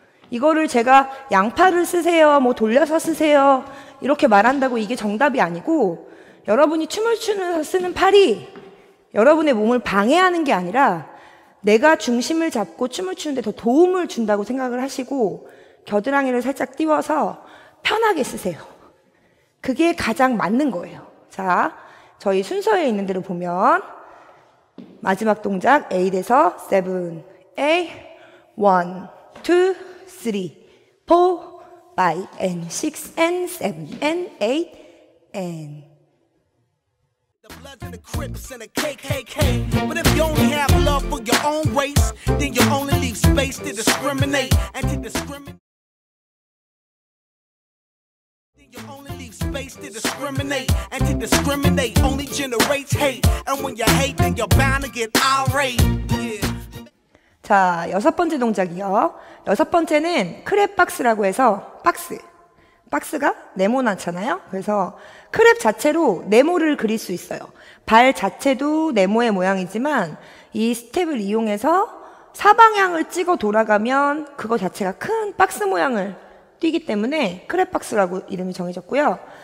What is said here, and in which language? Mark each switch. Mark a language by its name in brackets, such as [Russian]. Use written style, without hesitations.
[Korean] 이거를 제가 양팔을 쓰세요, 뭐 돌려서 쓰세요 이렇게 말한다고 이게 정답이 아니고 여러분이 춤을 추면서 쓰는 팔이 여러분의 몸을 방해하는 게 아니라 내가 중심을 잡고 춤을 추는데 더 도움을 준다고 생각을 하시고 겨드랑이를 살짝 띄워서 편하게 쓰세요. 그게 가장 맞는 거예요. 자, 저희 순서에 있는 대로 보면 마지막 동작 A 돼서 7 A 1 2 3 4 by N 6 N 7 N 8 N [English] The Bloods and the Crips and the KKK. But if you only have love for your own race, then you only leave space to discriminate and to discriminate. You only leave space to discriminate, and to discriminate only generates hate. And when you hate, then you're bound to get irate. [Korean] Yeah. 자, 여섯 번째 동작이요. 여섯 번째는 크랩 박스라고 해서 박스. 박스가 네모나잖아요. 그래서 크랩 자체로 네모를 그릴 수 있어요. 발 자체도 네모의 모양이지만 이 스텝을 이용해서 사방향을 찍어 돌아가면 그거 자체가 큰 박스 모양을 뛰기 때문에 크랩박스라고 이름이 정해졌고요.